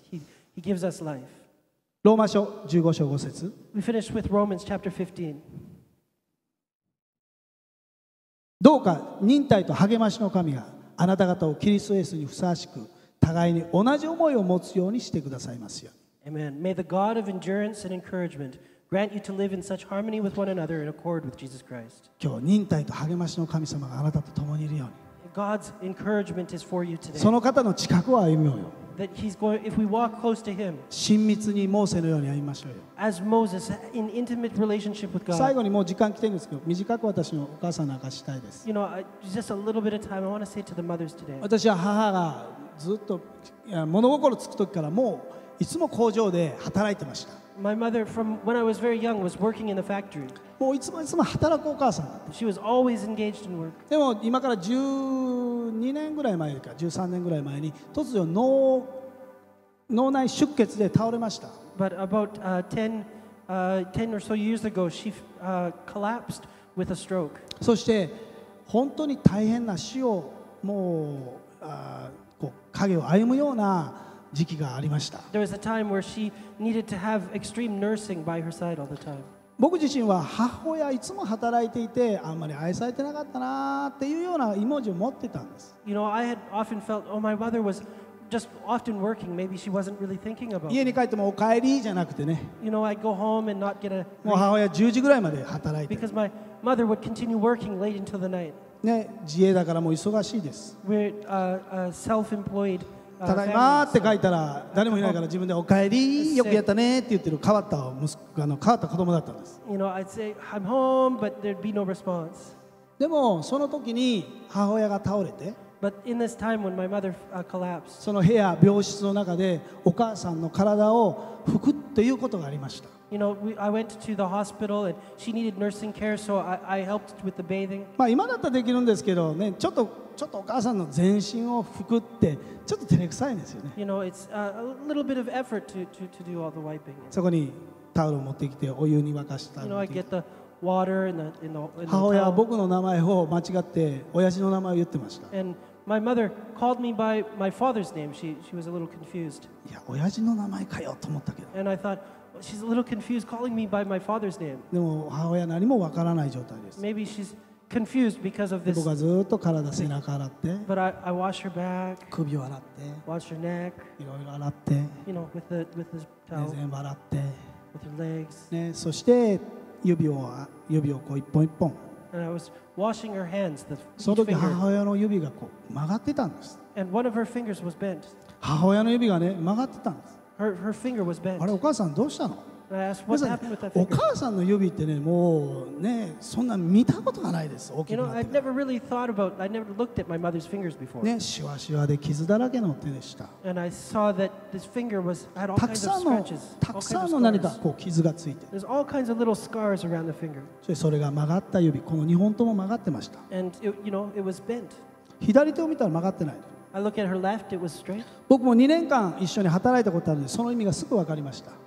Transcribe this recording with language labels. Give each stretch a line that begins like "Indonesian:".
English: He gives us life.
Japanese: ローマ書15章5節。
English: We finish with Romans chapter 15.
Japanese: どうか忍耐と励ましの神があなた方をキリストイエスにふさわしく互いに同じ思いを持つようにしてくださいますよ。
English: Amen. May the God of endurance and encouragement grant you to live in such harmony with one another in accord with Jesus Christ.
Japanese: 今日忍耐と励ましの神様があなたと共にいるように。
English: God's encouragement is for you today.
Japanese: その方の近くを歩みようよ。
English: That he's going, if we walk close to him,
Japanese: 親密にモーセのように歩みましょうよ。
English: As Moses, in intimate relationship with God.
Japanese: 最後にもう時間来てるんですけど、短く私のお母さんなんかしたいです。
English: You know, just a little bit of time. I want to say to the mothers today.
Japanese: 私は母がずっと物心つく時からもういつも工場で働いてました。
English: My mother, from when I was very young, was working in the factory.
Japanese: もういつもいつも働くお母さん。
English: She was always engaged in work.
Japanese: でも今から12年ぐらい前か13年ぐらい前に突如脳内出血で倒れました。
English: But about 10 or so years ago, she collapsed with a stroke.
Japanese: そして本当に大変な死をもう、こう影を歩むような時期がありました。
English: There was a time where she needed to have extreme nursing by her side all the time.
Japanese: 僕自身は母親いつも働いていてあんまり愛されてなかったなっていうようなイメージを持ってたんです。
English: You know, I had often felt, oh, my mother was just often working. Maybe she wasn't really thinking about it.
Japanese: 家に帰ってもお帰りじゃなくてね。
English: You know, I'd go home and not get a.
Japanese: もう母親10時ぐらいまで働いて。
English: Because my mother would continue working late into the night.
Japanese: ね、自営だからもう忙しいです。
English: We're self-employed.
Japanese: ただいまって書いたら誰もいないから自分でお帰り、よくやったねって言ってる変わった息子、あの変わった子供だったんです。
English: You know, I'd say I'm home, but there'd be no response.
Japanese: でもその時に母親が倒れて。
English: But in this time when my mother collapsed,
Japanese: その部屋病室の中でお母さんの体を拭くっていうことがありました。
English: You know, I went to the hospital and she needed nursing care, so I helped with the bathing.
Japanese: まあ今だったらできるんですけどね、ちょっとお母さんの全身を拭くってちょっと照れくさいんですよね。
English: You know, it's a little bit of effort to do all the wiping.
Japanese: そこにタオルを持ってきてお湯に沸かした。
English: You know, I get the water in the
Japanese: 母親は僕の名前を間違って親父の名前を言ってました。
English: And my mother called me by my father's name. She was a little confused.
Japanese: いや、親父の名前かよと思ったけど。
English: And I thought she's a little confused calling me by my father's name.
Japanese: でも母親何もわからない状態です。
English: Maybe she's confused because of this.
Japanese: 僕はずっと体背中洗って。
English: But I wash her back.
Japanese: 首を洗って。
English: Wash her neck.
Japanese: いろいろ洗って。
English: You know, with the towel.
Japanese: 全部洗って。
English: With her legs.
Japanese: ね、そして。指をこう一本一本。
English: And I was washing her hands.
Japanese: その時母親の指がこう曲がってたんです。
English: And one of her fingers was bent.
Japanese: 母親の指がね曲がってたんです。
English: Her finger was bent.
Japanese: あれお母さんどうしたの？
English: And I asked what happened with that finger.
Japanese: お母さんの指ってねもうねそんな見たことがないです。大きくなってから。
English: You know, I'd never really thought about, I'd never looked at my mother's fingers before.
Japanese: ねシワシワで傷だらけの手でした。
English: And I saw that this finger was had all kinds of scratches.
Japanese: たくさんの何かこう傷がついて。
English: There's all kinds of little scars around the finger.
Japanese: それが曲がった指、この2本とも曲がってました。
English: And it, you know, it was bent.
Japanese: 左手を見たら曲がってない。
English: I look at her left, it was straight.
Japanese: 僕も2年間一緒に働いたことあるので、その意味がすぐ分かりました。